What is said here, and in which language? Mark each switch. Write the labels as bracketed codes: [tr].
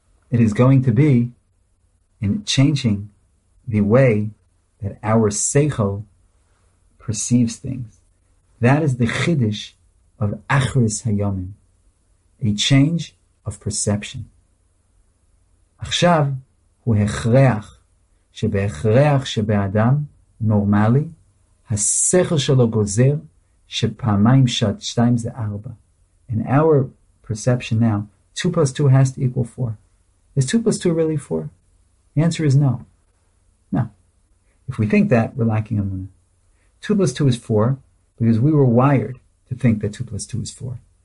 [en] It is going to be in changing the way that our seichel perceives things. That is the chiddush of achris hayomim, a change of perception. [he] Achshav הוא הכרח שבהכרח שבאדם נורמלי השכל שלו גוזר שפעמיים שעד שתיים זה ארבע. [en] In our perception now, 2 plus 2 has to equal 4. Is 2 plus 2 really 4? The answer is no. No. If we think that, we're lacking emunah. 2 plus 2 is 4 because we were wired to think that 2 plus 2 is 4.